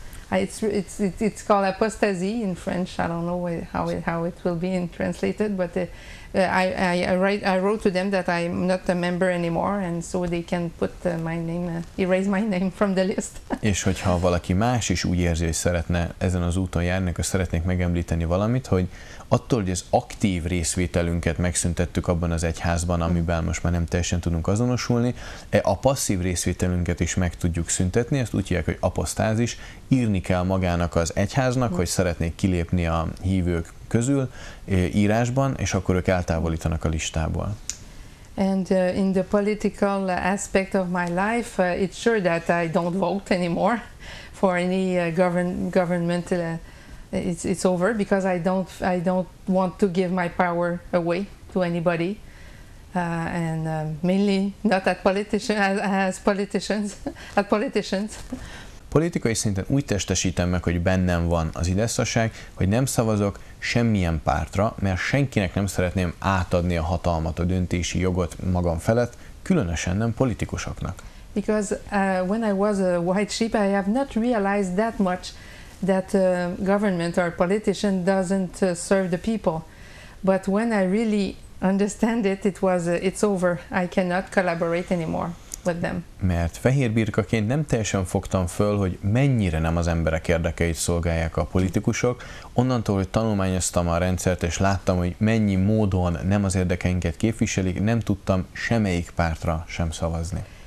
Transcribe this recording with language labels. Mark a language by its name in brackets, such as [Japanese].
[English] It's called apostasy in French. I don't know how it will be in translated, but I wrote to them that I'm not a member anymore, and so they can put my name, erase my name from the list. [Hungarian] És hogyha valaki más is úgy érzi, hogy szeretne ezen az úton járni, akkor szeretnék megemlíteni valamit, hogy attól, hogy az aktív részvételünket megszüntettük abban az egyházban, amiben most már nem teljesen tudunk azonosulni, a passzív részvételünket is meg tudjuk szüntetni, ezt úgy hívják, hogy apostázis, írni kell magának az egyháznak, hogy szeretnék kilépni a hívők közül írásban, és akkor ők eltávolítanak a listából. [English] And in the political aspect of my life, it's sure that I don't vote anymore for any government. It's over because I don't want to give my power away to anybody, and mainly not at politicians. [Hungarian] Politikai szinten úgy testesítem meg, hogy bennem van az ideszasság, hogy nem szavazok semmilyen pártra, mert senkinek nem szeretném átadni a hatalmat, a döntési jogot magam felett, különösen nem politikusoknak. [English] Because when I was a white sheep, I have not realized that much that government or politician doesn't serve the people. But when I really understand it, it's over. I cannot collaborate anymore with them. [Hungarian] Mert fehér birkaként nem teljesen fogtam föl, hogy mennyire nem az emberek érdekeit szolgálják a politikusok. Onnantól, hogy tanulmányoztam a rendszert, és láttam, hogy mennyi módon nem az érdekeinket képviselik, nem tudtam semmelyik pártra sem szavazni.